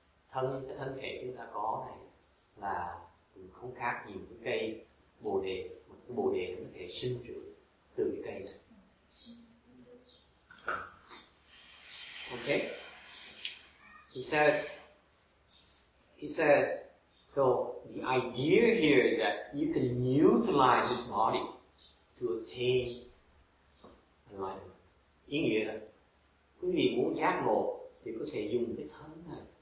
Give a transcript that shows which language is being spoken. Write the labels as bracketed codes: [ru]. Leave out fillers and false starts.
[vi] Thân thể chúng ta có này là không khác nhiều cái cây bồ đề, một cái bồ đề có thể sinh trưởng từ cái cây này. [en] Okay, he says, so the idea here is that you can utilize this body to attain enlightenment. [vi] Ý nghĩa là quý vị muốn giác ngộ thì có thể dùng cái thân này.